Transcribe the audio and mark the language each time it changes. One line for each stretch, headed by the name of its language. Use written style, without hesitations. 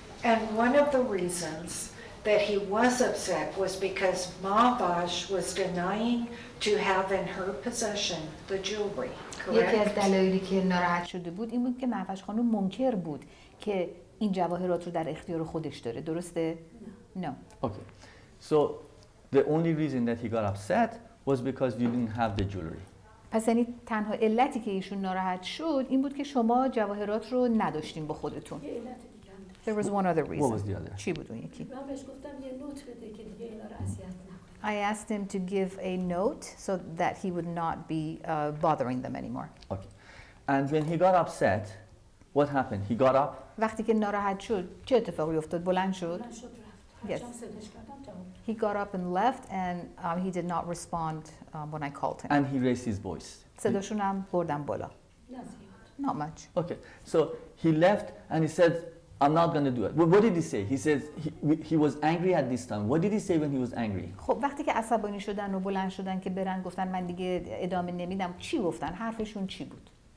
English: And one of the reasons that he was upset was because Mahvash was denying to have in her possession the jewelry.
Persian: یکی از دلایلی که ناراحت شده بود این بود که مهوش خانم منکر بود که این جواهرات رو در اختیار خودش داره. درسته؟
English: No. Okay. So the only reason that he got upset was because you didn't have the jewelry. پس یعنی تنها علتی که ایشون ناراحت شد این بود که شما جواهرات رو نداشتین با خودتون. There was one other reason. What was the other?
Persian: چی بود اون یکی؟ من بهش گفتم یه نوت بده که دیگه اینا رو اذیت نکنه.
English: I asked him to give a note so that he would not be bothering them anymore. Okay. And when he got upset, what happened? He got up.
Persian: وقتی که ناراحت شد چه اتفاقی افتاد؟ بلند شد.
English: Yes. He got up and left, and he did not respond when I called him. And he raised his voice.
Persian: صداشون هم بردن بالا.
English: Not much. Okay. So he left, and he said, "I'm not going to do it." What did he say? He says he was angry at this time. What did he say when he was angry?
Persian: خب وقتی که عصبانی شدن و بلند شدن که برن گفتن من دیگه ادامه نمیدم چی گفتن حرفشون چی بود؟